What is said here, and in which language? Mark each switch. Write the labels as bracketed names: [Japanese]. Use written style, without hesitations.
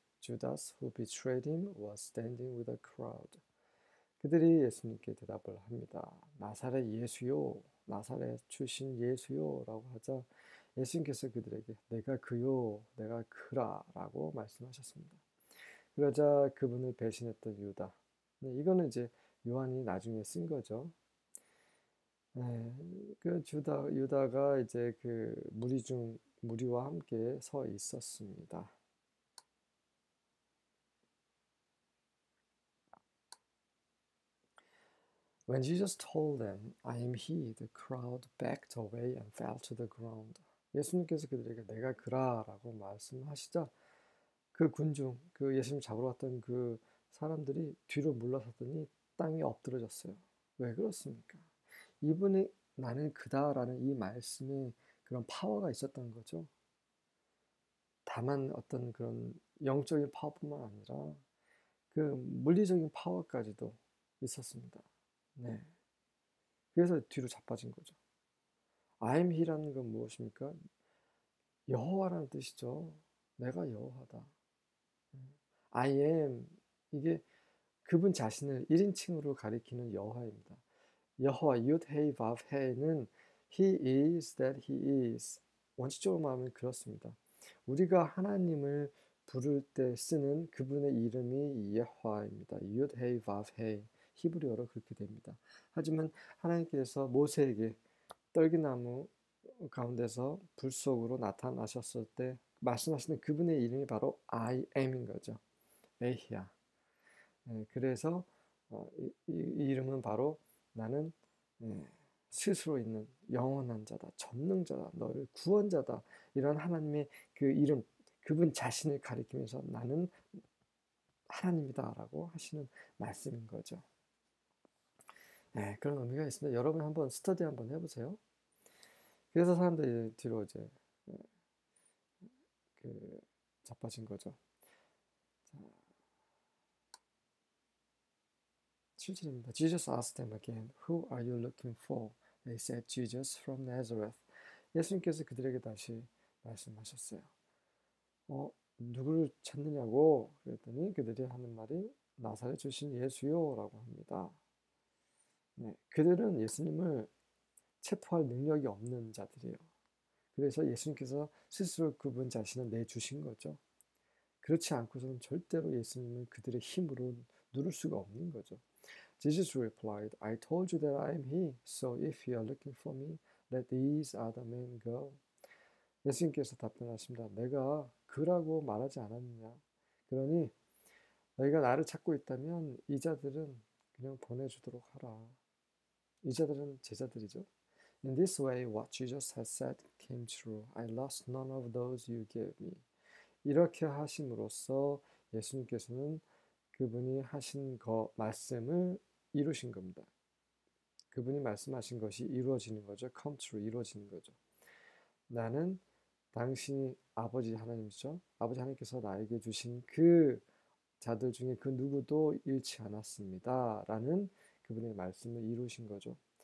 [English] Judas, who betrayed him, was standing with a crowd. [Korean] 그들이 예수님께 대답을 합니다. 나사렛 예수요, 나사렛 출신 예수요라고 하자 예수님께서 그들에게 내가 그요, 내가 그라라고 말씀하셨습니다. 그러자 그분을 배신했던 유다. 이거는 이제 요한이 나중에 쓴 거죠. 유다가 이제 그 무리와 함께 서 있었습니다. [English] When Jesus told them, I am he, the crowd backed away and fell to the ground. [Korean] 예수님께서 그들에게 내가 그라라고 말씀하시자 그 군중, 그 예수님 잡으러 왔던 그 사람들이 뒤로 물러섰더니 땅이 엎드러졌어요. 왜 그렇습니까? 이분이 나는 그다라는 이 말씀에 그런 파워가 있었던 거죠. 다만 어떤 그런 영적인 파워뿐만 아니라 그 물리적인 파워까지도 있었습니다. 네. 그래서 뒤로 자빠진 거죠. [English] I am He [Korean] 라는 건 무엇입니까? 여호와라는 뜻이죠. 내가 여호와다. [English] I am. [Korean] 이게 그분 자신을 1인칭으로 가리키는 여호와입니다. [English] 여호와 Yod Hey Vav Hey는 He is that He is. [Korean] 원칙적으로 말하면 그렇습니다. 우리가 하나님을 부를 때 쓰는 그분의 이름이 여호와입니다. [Hebrew] Yod Hey Vav Hey. [Korean] 히브리어로 그렇게 됩니다. 하지만 하나님께서 모세에게 떨기나무 가운데서 불 속으로 나타나셨을 때 말씀하시는 그분의 이름이 바로 [English] I am [Korean] 인 거죠. 에히야. 그래서 이 이름은 바로 나는 스스로 있는 영원한 자다, 전능자다, 너를 구원자다, 이런 하나님의 그 이름, 그분 자신을 가리키면서 나는 하나님이다라고 하시는 말씀인 거죠. 네, 그런 의미가 있습니다. 여러분 한번 스터디 한번 해보세요. 그래서 사람들이 뒤로 이제 자빠진 거죠. 7절입니다. [English] Jesus asked them again, "Who are you looking for?" They said, "Jesus from Nazareth." [Korean] 예수님께서 그들에게 다시 말씀하셨어요. 누구를 찾느냐고 그랬더니 그들이 하는 말이 나사렛 출신 예수요라고 합니다. 네, 그들은 예수님을 체포할 능력이 없는 자들이에요. 그래서 예수님께서 스스로 그분 자신을 내주신 거죠. 그렇지 않고서는 절대로 예수님을 그들의 힘으로 누를 수가 없는 거죠. [English] Jesus replied, I told you that I am he, so if you are looking for me, let these other men go. [Korean] 예수님께서 답변하십니다. 내가 그라고 말하지 않았느냐? 그러니 너희가 나를 찾고 있다면 이 자들은 그냥 보내주도록 하라. 이 자들은 제자들이죠. [English] In this way, what Jesus has said came true. I lost none of those you gave me. [Korean] 이렇게 하심으로써 예수님께서는 그분이 하신 거 말씀을 이루신 겁니다. 그분이 말씀하신 것이 이루어지는 거죠. [English] Come true, [Korean] 이루어지는 거죠. 나는 당신이 아버지 하나님이죠. 아버지 하나님께서 나에게 주신 그 자들 중에 그 누구도 잃지 않았습니다라는 그분의 말씀을 이루신 거죠.